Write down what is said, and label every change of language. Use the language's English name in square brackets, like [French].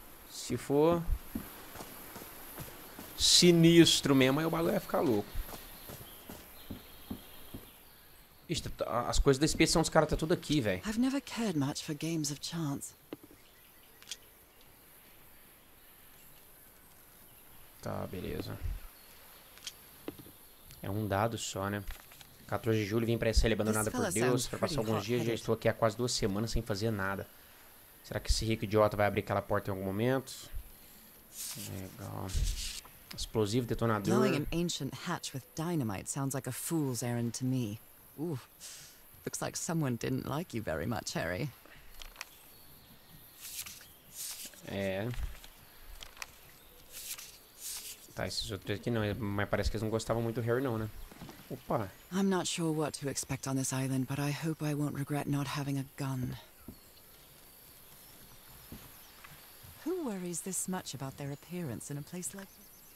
[Portuguese] Se for sinistro mesmo, aí o bagulho vai ficar louco. Ixi, as coisas da expedição dos caras tá tudo aqui, velho. [English] I've never cared much for games of chance. [Portuguese] Tá, beleza. É um dado só, né? 14 de julho, vim pra essa ilha abandonada por Deus. Pra passar alguns dias, já estou aqui há quase 2 semanas sem fazer nada. Será que esse rico idiota vai abrir aquela porta em algum momento? Legal. Explosivo, detonador. [English] Blowing an ancient hatch with dynamite sounds like a fool's errand to me. Looks like someone didn't like you very much, Harry. [Portuguese] É. Tá, esses outros aqui não, mas parece que eles não gostavam muito do Harry, não, né? Opa. [English] I'm not sure what to expect on this island, but I hope I won't regret not having a gun. Who worries this much about their appearance in a place like this?